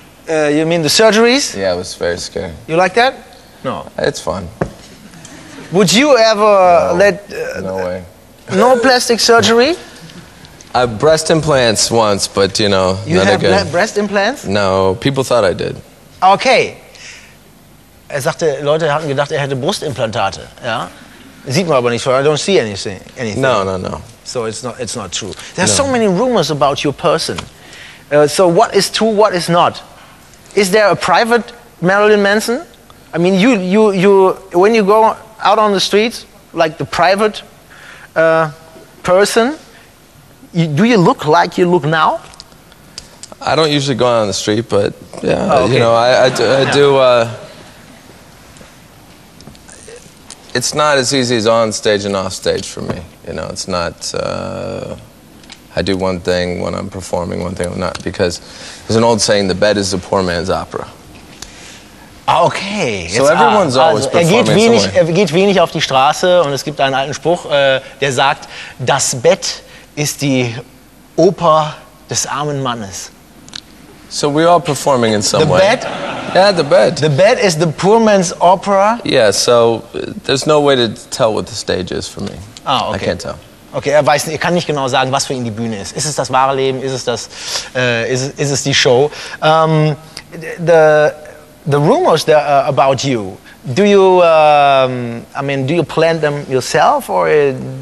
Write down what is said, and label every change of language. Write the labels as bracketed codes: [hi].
[en] You mean the surgeries? Yeah, it was very scary. You like that? No. It's fun. Would you ever No way. No plastic surgery? I have breast implants once, but you know, you not again. You have breast implants? No, people thought I did. Okay. [de] Er sagte, Leute hatten gedacht, er hätte Brustimplantate. Ja, sieht man aber nicht. [en] I don't see anything. No. So it's not true. There are so many rumors about your person. So what is true? What is not? Is there a private Marilyn Manson? I mean, you when you go out on the streets, like the private person. Do you look like you look now? I don't usually go out on the street, but yeah, oh, okay. You know, I do. It's not as easy as on stage and off stage for me. You know, it's not. I do one thing when I'm performing, one thing when I'm not, because there's an old saying: the bed is the poor man's opera. Okay. So everyone's always performing. [de] Er geht wenig auf die Straße, und es gibt einen alten Spruch, der sagt: Das Bett ist die Oper des armen Mannes. [en] So we are performing in some way. The bed? Yeah, the bed. The bed is the poor man's opera? Yeah, so there's no way to tell what the stage is for me. Ah, okay. I can't tell. [de] Okay, er kann nicht genau sagen, was für ihn die Bühne ist. Ist es das wahre Leben? Ist es das, ist es die Show? [en] The rumors that are about you, do you, do you plant them yourself or...